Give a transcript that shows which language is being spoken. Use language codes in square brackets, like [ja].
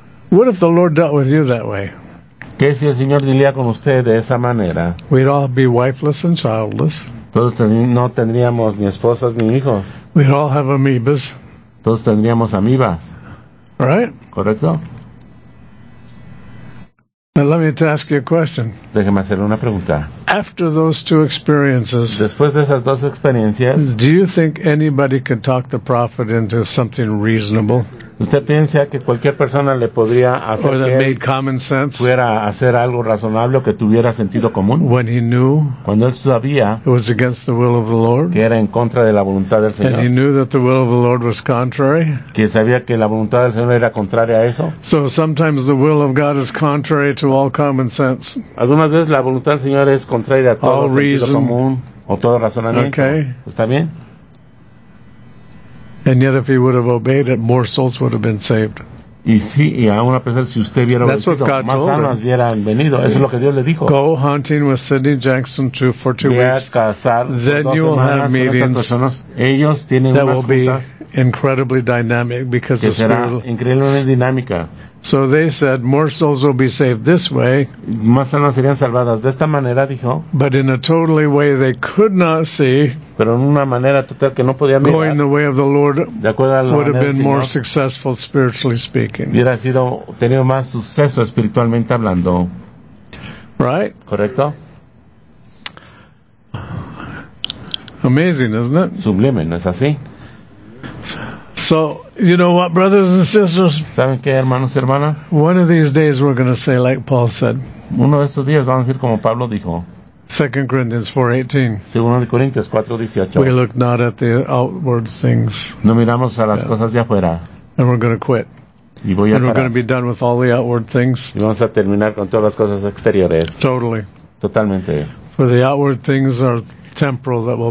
[en] What if the Lord dealt with you that way? [es] ¿Qué si el Señor lidia con usted de esa manera? [en] We'd all be wifeless and childless. [es] Todos no tendríamos ni esposas ni hijos. [en] We'd all have amoebas. [es] Todos tendríamos amoebas. [en] Right? [es] Correcto. [en] Now let me ask you a question. [es] Déjeme hacerle una pregunta. [en] After those two experiences, [es] después de esas dos experiencias, [en] do you think anybody could talk the prophet into something reasonable? [es] ¿Usted piensa que cualquier persona le podría hacer [en] or that made common sense? [es] Fuera hacer algo razonable que tuviera sentido común. [en] When he knew, [es] cuando él sabía, [en] it was against the will of the Lord. [es] Que era en contra de la voluntad del Señor. [en] And he knew that the will of the Lord was contrary. [es] Que sabía que la voluntad del Señor era contraria a eso. [en] So sometimes the will of God is contrary to all common sense. [es] Algunas veces la voluntad del Señor es contraria a todo [en] all [es] sentido [en] reason. [es] Común o todo razonamiento. [en] Okay. [es] ¿Está bien? [en] And yet, if he would have obeyed it, more souls would have been saved. [es] Y sí, y aún a pesar si usted hubiera obedecido, más almas hubieran venido. Eso es lo que Dios le dijo. [en] Go hunting with Sidney Jackson for two weeks. Then you will have meetings. [es] Ellos tienen [en] that will be incredibly dynamic because the Spirit. [es] Increíblemente dinámica. [en] So they said more souls will be saved this way. [es] Más almas serían salvadas de esta manera, dijo. [en] But in a totally way they could not see. [es] Pero en una manera total que no podían mirar. [en] Going the way of the Lord [es] de acuerdo a la [en] would have been [es] Señor, [en] more successful spiritually speaking. [es] Hubiera sido tenido más suceso espiritualmente hablando. [en] Right. [es] Correcto. [en] Amazing, isn't it? [es] Sublime, ¿no es así? [en] So, you know what, brothers and sisters? [es] ¿Saben qué, hermanos y hermanas? [en] One of these days we're going to say like Paul said. [es] Uno de estos días vamos a decir como Pablo dijo. [en] 2 Corinthians 4:18. [es] Segundo de Corintios 4:18. [en] We look not at the outward things. [es] No miramos a las cosas de afuera. [en] And we're going to quit. [es] Y voy a parar. [en] We're going to be done with all the outward things. [es] Y vamos a terminar con todas las cosas exteriores. [en] Totally. [es] Totalmente. [en] For the outward things are temporal that will